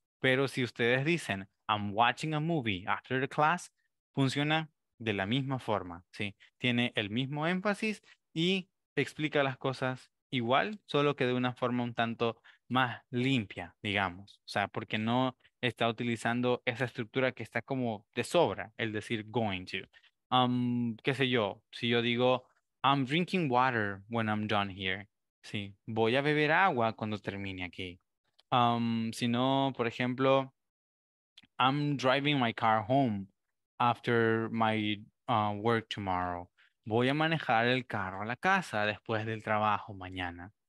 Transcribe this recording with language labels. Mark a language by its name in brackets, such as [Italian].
[Spanish] Pero si ustedes dicen, [English] I'm watching a movie after the class, [Spanish] funciona de la misma forma, ¿sí? Tiene el mismo énfasis y explica las cosas igual, solo que de una forma un tanto más limpia, digamos. O sea, porque no está utilizando esa estructura que está como de sobra, el decir going to. ¿Qué sé yo? Si yo digo, [English] I'm drinking water when I'm done here. [Spanish] Sí, voy a beber agua cuando termine aquí. Si no, por ejemplo, [English] I'm driving my car home after my work tomorrow. [Spanish] Voy a manejar el carro a la casa después del trabajo mañana.